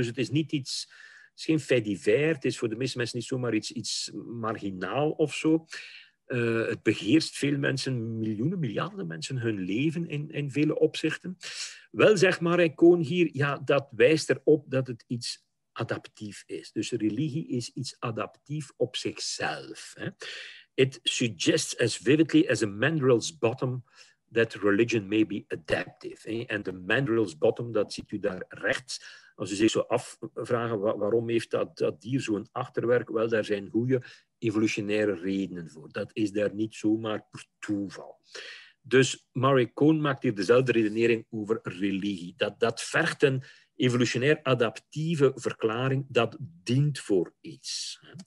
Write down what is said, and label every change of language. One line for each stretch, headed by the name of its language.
Dutch: Dus het is niet iets, het is geen fait divers, het is voor de meeste mensen niet zomaar iets marginaal of zo. Het beheerst veel mensen, miljoenen, miljarden mensen, hun leven in vele opzichten. Wel, zegt Marek Cohn hier, ja, dat wijst erop dat het iets adaptief is. Dus religie is iets adaptief op zichzelf.
English: It suggests as vividly as a mandrel's bottom that religion may be adaptive.
Dutch: En de mandrel's bottom, dat ziet u daar rechts. Als u zich zo afvragen waarom heeft dat dier zo'n achterwerk, wel, daar zijn goede evolutionaire redenen voor. Dat is daar niet zomaar per toeval. Dus Marek Cohn maakt hier dezelfde redenering over religie. Dat vergt een evolutionair adaptieve verklaring, dat dient voor iets.